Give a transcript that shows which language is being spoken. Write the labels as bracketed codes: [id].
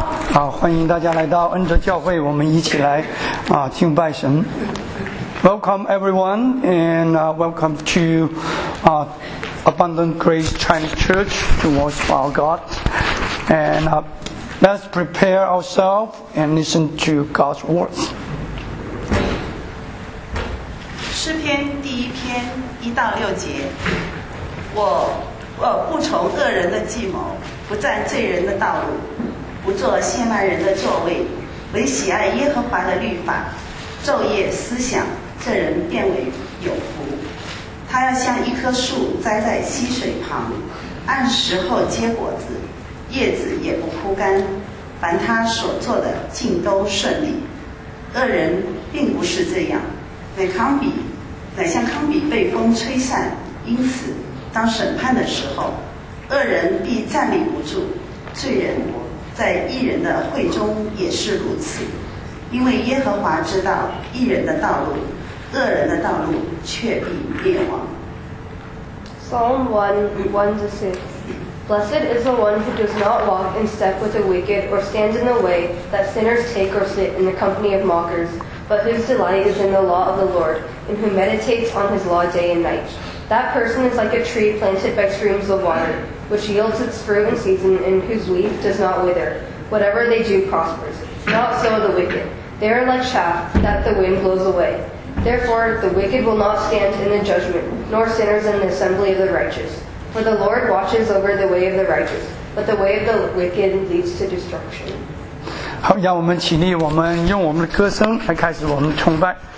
[zh] 好，欢迎大家来到恩泽教会，我们一起来敬拜神。 [en] Welcome everyone, and welcome to Abundant Grace Chinese Church towards our God. And let's prepare ourselves and listen to God's words. [zh] 诗篇第一篇1-6节，我不愁恶人的计谋，不占罪人的道路，不坐亵慢人的座位，唯喜爱耶和华的律法，昼夜思想，这人变为有福。他要像一棵树栽在溪水旁，按时候结果子，叶子也不枯干，凡他所做的尽都顺利。恶人并不是这样，乃像康比被风吹散，因此当审判的时候，恶人必站立不住，罪人在义人的会中也是如此。因为耶和华知道义人的道路，恶人的道路却必灭亡。 [en] Psalm 1:1-6 Blessed is the one who does not walk in step with the wicked, or stands in the way that sinners take, or sit in the company of mockers, but whose delight is in the law of the Lord, and who meditates on his law day and night. That person is like a tree planted by streams of water, which yields its fruit in season, and whose leaf does not wither. Whatever they do prospers. Not so the wicked. They are like chaff that the wind blows away. Therefore, the wicked will not stand in the judgment, nor sinners in the assembly of the righteous. For the Lord watches over the way of the righteous, but the way of the wicked leads to destruction. [zh] 好，让我们起立，我们用我们的歌声来开始我们崇拜。